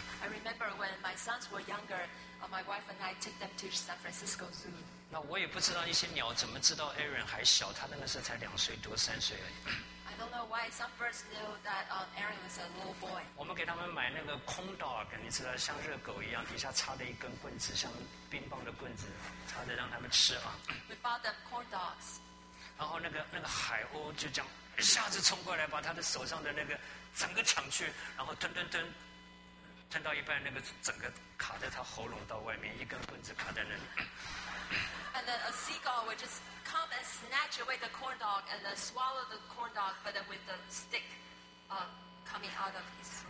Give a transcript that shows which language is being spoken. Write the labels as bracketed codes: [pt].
[en] I remember when my sons were younger, my wife and I took them to San Francisco Zoo. [zh] 那我也不知道一些鸟怎么知道 Aaron 还小，他那个时候才两岁多三岁而已。 [en] I don't know why some birds knew that Aaron was a little boy. [zh] 我们给他们买那个空 dog， 你知道，像热狗一样，底下插着一根棍子，像冰棒的棍子，插着让他们吃啊。 [en] We bought them corn dogs. [zh] 然后那个海鸥就这样一下子冲过来，把他的手上的那个整个抢去，然后吞吞吞，吞到一半，那个整个卡在他喉咙到外面，一根棍子卡在那里。 [en] And then a seagull would just come and snatch away the corn dog and then swallow the corn dog, but then with the stick coming out of his throat.